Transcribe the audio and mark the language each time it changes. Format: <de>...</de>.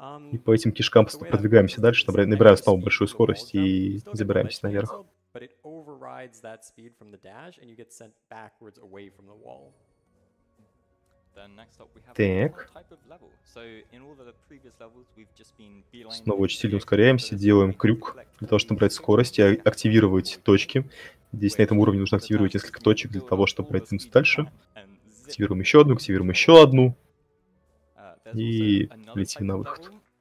<ru>И по этим кишкам продвигаемся дальше, набираем снова большую скорость и забираемся наверх.</ru> <en>But it overrides that speed from the dash, and you get sent backwards away from the wall. Then next up we have another type of level. So in all the previous levels, we've just been beelining.</en> <ru>Снова очень сильно ускоряемся, делаем крюк для того, чтобы брать скорость и активировать точки. Здесь на этом уровне нужно активировать несколько точек для того, чтобы продвинуться дальше. Активируем еще одну, активируем еще одну. И летим на выход.</ru>